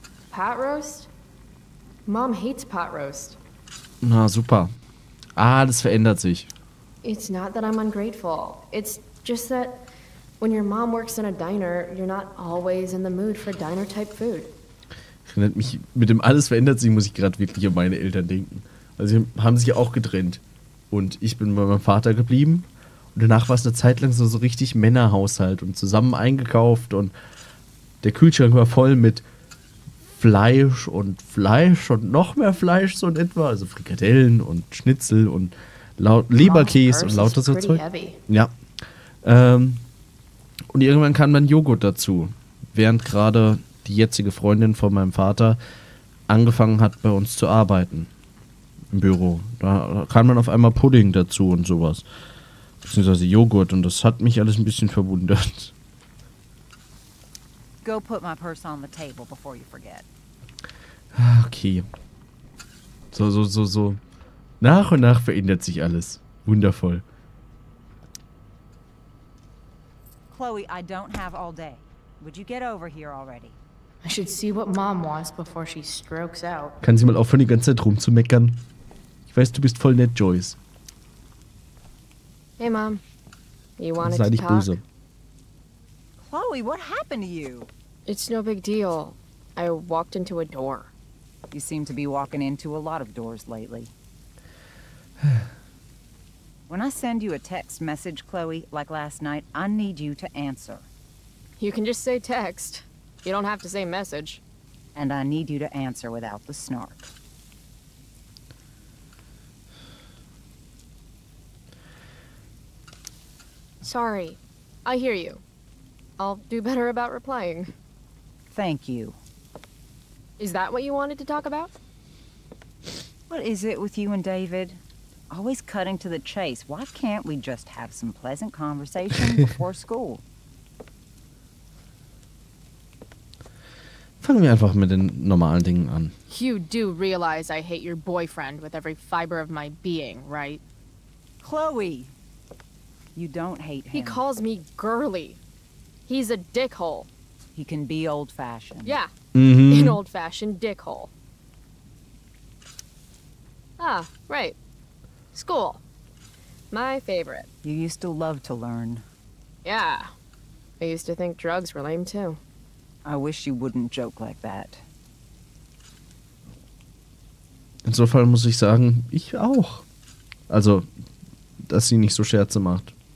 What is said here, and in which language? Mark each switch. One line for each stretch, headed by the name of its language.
English: Pot roast? Mom hates pot roast.
German: Na super. Ah, das verändert sich.
English: It's not that I'm ungrateful. It's just that when your mom works in a diner, you're not always in the mood for diner-type food.
German: Mit dem alles verändert sich, muss ich gerade wirklich an meine Eltern denken. Also sie haben sich ja auch getrennt. Und ich bin bei meinem Vater geblieben. Und danach war es eine Zeit lang so richtig Männerhaushalt und zusammen eingekauft. Und der Kühlschrank war voll mit Fleisch und Fleisch und noch mehr Fleisch so in etwa. Also Frikadellen und Schnitzel und Leberkäse und lauter so Zeug. Ja. Und irgendwann kam dann Joghurt dazu. Während gerade die jetzige Freundin von meinem Vater angefangen hat, bei uns zu arbeiten. Im Büro. Da kam dann auf einmal Pudding dazu und sowas. Beziehungsweise Joghurt. Und das hat mich alles ein bisschen verwundert.
English: Go put my purse on the table before you forget. Okay. So.
German: Nach und nach verändert sich alles. Wundervoll.
English: Chloe, I don't have all day. Would you get over here already? I should see what Mom wants before she strokes out.
German: Kann sie mal aufhören, die ganze Zeit rumzumeckern? Ich weiß, du bist voll nett, Joyce.
English: Hey, Mom. You wanted to talk?
German: Sei nicht böse.
English: Chloe, what happened to you? It's no big deal. I walked into a door. You seem to be walking into a lot of doors lately. When I send you a text message, Chloe, like last night, I need you to answer. You can just say text. You don't have to say message. And I need you to answer without the snark. Sorry. I hear you. I'll do better about replying. Thank you. Is that what you wanted to talk about? What is it with you and David? Always cutting to the chase. Why can't we just have some pleasant conversation before school?
German: Fangen wir einfach mit den normalen Dingen an.
English: You do realize I hate your boyfriend with every fiber of my being, right? Chloe! You don't hate him. He calls me girly. He's a dickhole. He can be old-fashioned. Yeah. Mm-hmm. An old-fashioned dickhole. Ah, right. School. My favorite. You used to love to learn. Yeah. I used to think drugs were lame, too. I wish you wouldn't joke like that.
German: Insofern muss ich sagen, ich auch. Also, dass sie nicht so Scherze macht.